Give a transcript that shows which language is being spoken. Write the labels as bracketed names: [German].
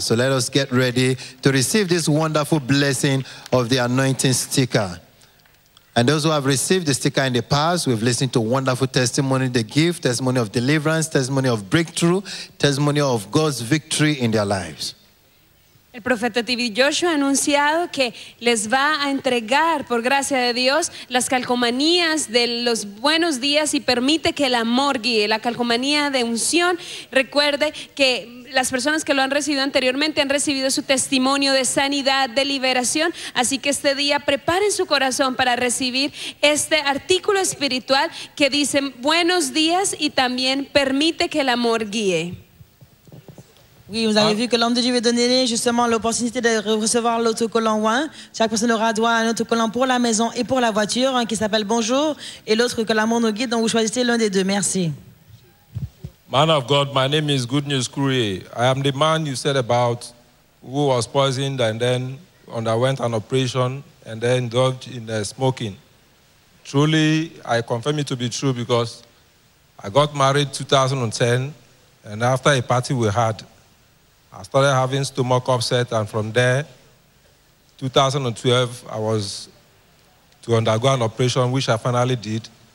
[English] So let us get ready to receive this wonderful blessing of the anointing sticker. And those who have received the sticker in the past, we've listened to wonderful testimony, the gift, testimony of deliverance, testimony of breakthrough, testimony of God's victory in their lives. [Spanish] El profeta TV Joshua ha anunciado que les va a entregar, por gracia de Dios, las calcomanías de los buenos días y permite que el amor guíe. La calcomanía de unción, recuerde que las personas que lo han recibido anteriormente han recibido su testimonio de sanidad, de liberación. Así que este día preparen su corazón para recibir este artículo espiritual que dice buenos días y también permite que el amor guíe. [French] Oui, vous avez vu que l'homme de Dieu veut donner justement l'opportunité de recevoir l'autocollant 1. Chaque personne aura droit à un autocollant pour la maison et pour la voiture, qui s'appelle Bonjour, et l'autre que l'amour nous guide, donc vous choisissez l'un des deux. Merci. [English] Man of God, my name is Good News Kurie. I am the man you said about who was poisoned and then underwent an operation and then indulged in smoking. Truly, I confirm it to be true because I got married 2010 and after a party we had, I started having stomach upset, and from there, 2012, I was to undergo an operation, which I finally did.